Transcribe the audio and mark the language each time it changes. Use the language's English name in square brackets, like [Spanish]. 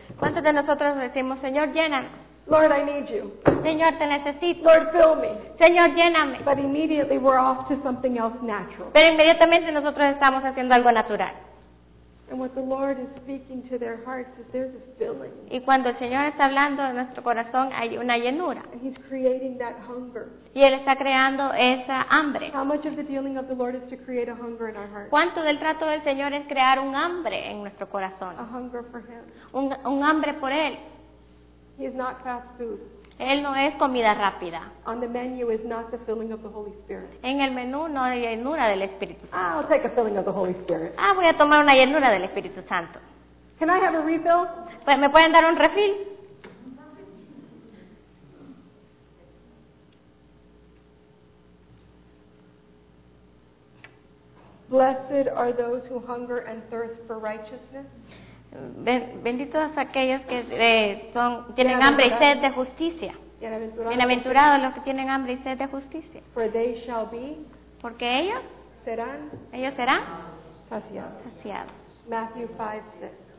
[Spanish] ¿Cuántos de nosotros decimos, Señor, llénanos? [English] Lord, I need you. [Spanish] Señor, te necesito. [English] Lord, fill me. [Spanish] Señor, lléname. [English] But immediately we're off to something else natural. [Spanish] Pero inmediatamente nosotros estamos haciendo algo natural. [English] And what the Lord is speaking to their hearts is there's a filling. [Spanish] Y cuando el Señor está hablando en nuestro corazón hay una llenura. [English] And he's creating that hunger. [Spanish] Y él está creando esa hambre. [English] How much of the dealing of the Lord is to create a hunger in our hearts? [Spanish] ¿Cuánto del trato del Señor es crear un hambre en nuestro corazón? [English] A hunger for him. [Spanish] Un hambre por él. [English] He is not fast food. [Spanish] Él no es comida rápida. [English] On the menu is not the filling of the Holy Spirit. [Spanish] En el menú no hay llenura del Espíritu Santo. [English] I'll take a filling of the Holy Spirit. [Spanish] Voy a tomar una llenura del Espíritu Santo. [English] Can I have a refill? [Spanish] ¿Me pueden dar un refill? [English] Blessed are those who hunger and thirst for righteousness. [Spanish] Benditos aquellos que tienen hambre y sed de justicia. Bienaventurados los que tienen hambre y sed de justicia. For they shall be. Porque ellos serán. Ellos serán saciados. Saciados. [English] Matthew 5, 6.